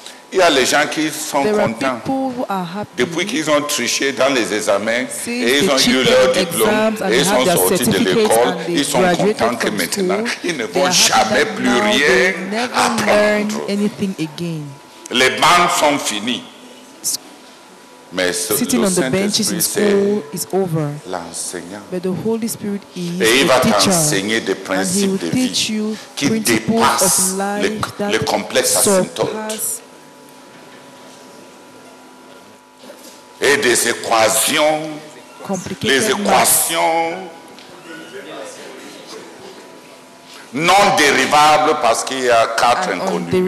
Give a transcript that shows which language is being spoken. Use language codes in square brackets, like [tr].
[fr] Il y a les gens qui sont contents depuis qu'ils ont triché dans les examens et ils ont eu leur diplôme et ils sont sortis de l'école. Ils sont contents que maintenant ils ne vont jamais plus rien apprendre. [en] Again. [fr] Les bancs sont finis. Mais [en] sitting on the benches in school is over. [fr] L'enseignant. [en] But the Holy Spirit is the [fr] teacher. Et il va t'enseigner des principes de vie qui dépassent les complexes asymptotes et des équations, les équations non dérivables parce qu'il y a quatre inconnues.